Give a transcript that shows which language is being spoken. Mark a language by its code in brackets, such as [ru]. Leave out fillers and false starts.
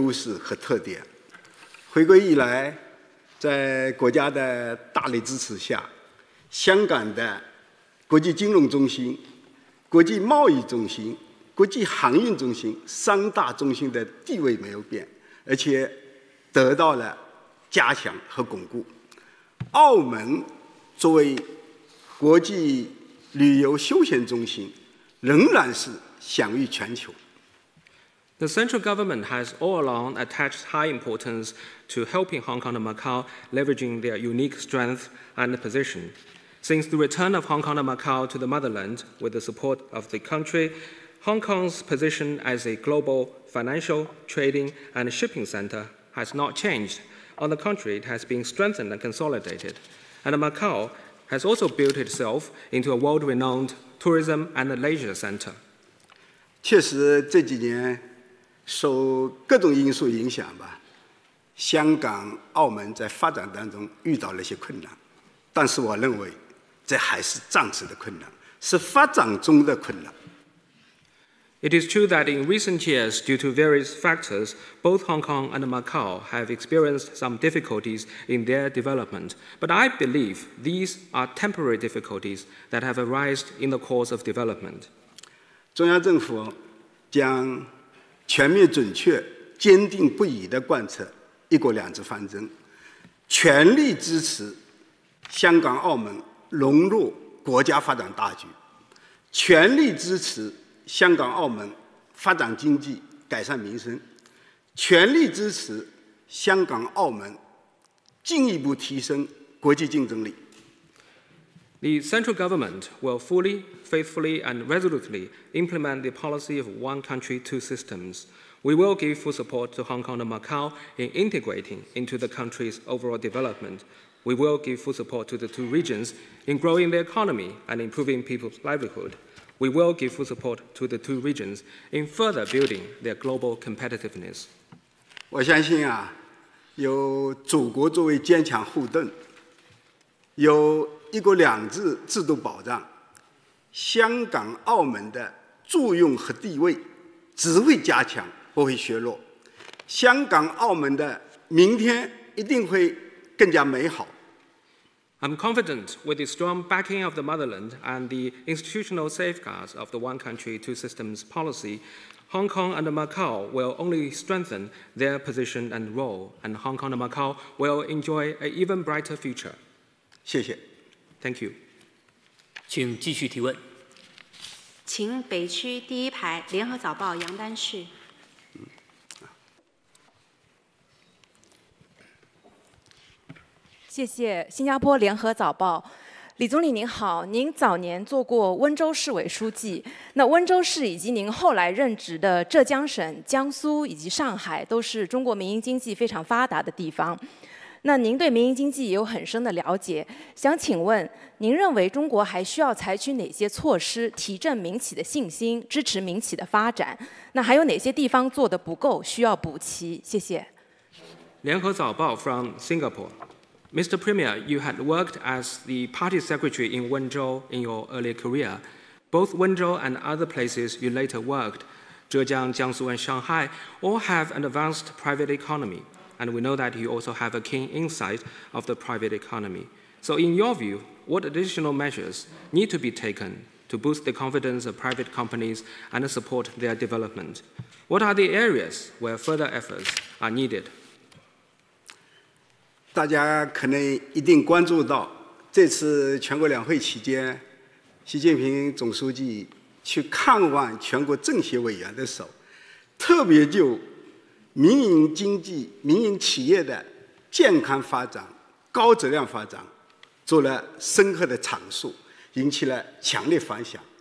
[zh] 中央政府啊，始终高度重视发挥香港澳门的独特优势和特点。回归以来， 在国家的大力支持下，香港的国际金融中心、国际贸易中心、国际航运中心三大中心的地位没有变，而且得到了加强和巩固。澳门作为国际旅游休闲中心，仍然是享誉全球。 [en] The central government has all along attached high importance to helping Hong Kong and Macau leveraging their unique strength and position. Since the return of Hong Kong and Macau to the motherland with the support of the country, Hong Kong's position as a global financial, trading, and shipping center has not changed. On the contrary, it has been strengthened and consolidated. And Macau has also built itself into a world-renowned tourism and leisure center. [zh] 确实这几年 受各种因素影响吧，香港、澳门在发展当中遇到了一些困难，但是我认为这还是暂时的困难，是发展中的困难。 [en] It is true that in recent years, due to various factors, both Hong Kong and Macau have experienced some difficulties in their development. But I believe these are temporary difficulties that have arisen in the course of development. [zh] 中央政府将 全面准确、坚定不移地贯彻"一国两制"方针，全力支持香港澳门融入国家发展大局，全力支持香港澳门发展经济、改善民生，全力支持香港澳门进一步提升国际竞争力。 [en] The central government will fully, faithfully, and resolutely implement the policy of one country, two systems. We will give full support to Hong Kong and Macau in integrating into the country's overall development, We will give full support to the two regions in growing the economy and improving people's livelihood. We will give full support to the two regions in further building their global competitiveness. [zh] 我相信啊，有祖国作为坚强后盾，有一国两制制度保障，香港、澳门的作用和地位只会加强，不会削弱。香港、澳门的明天一定会更加美好。 [en] I'm confident with the strong backing of the motherland and the institutional safeguards of the one country, two systems policy, Hong Kong and Macau will only strengthen their position and role, and Hong Kong and Macau will enjoy an even brighter future. [zh] 谢谢。 [en] Thank you. [zh] 请继续提问。请北区第一排联合早报杨丹旭。谢谢新加坡联合早报。李总理您好，您早年做过温州市委书记，那温州市以及您后来任职的浙江省、江苏以及上海都是中国民营经济非常发达的地方，那您对民营经济也有很深的了解，想请问您认为中国还需要采取哪些措施提振民企的信心，支持民企的发展，那还有哪些地方做得不够需要补齐？谢谢。 [en] 联合早报 from Singapore。Mr. Premier, you had worked as the party secretary in Wenzhou in your early career. Both Wenzhou and other places you later worked, Zhejiang, Jiangsu, and Shanghai, all have an advanced private economy. And we know that you also have a keen insight of the private economy. So in your view, what additional measures need to be taken to boost the confidence of private companies and support their development? What are the areas where further efforts are needed? [zh] 大家可能一定关注到，这次全国两会期间，习近平总书记去看望全国政协委员的时候，特别就民营经济、民营企业的健康发展、高质量发展做了深刻的阐述，引起了强烈反响。